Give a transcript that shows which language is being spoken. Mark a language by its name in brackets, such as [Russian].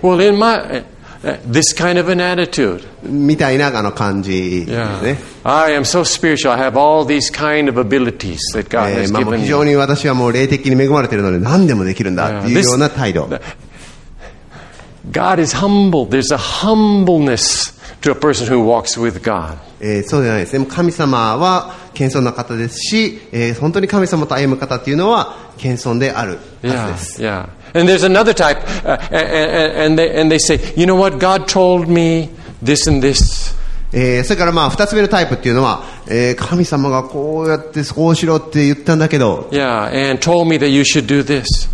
[English] Well, in my this kind of an attitude. [Japanese] みたいなあの感じですね。 [English] Yeah. I am so spiritual. I have all these kind of abilities that God has given me. [Japanese] 非常に私はもう霊的に恵まれているので何でもできるんだというような態度。 [English] God is humble. There's a humbleness to a person who walks with God. [Japanese] そうじゃないですね。もう神様は謙遜な方ですし、本当に神様と歩む方というのは謙遜であるはずです。 [English] Yeah, yeah. And there's another type. And they say, you know what? God told me this and this. [Japanese] それからまあ二つ目のタイプっていうのは、神様がこうやってこうしろって言ったんだけど、 [English] yeah, and told me that you should do this.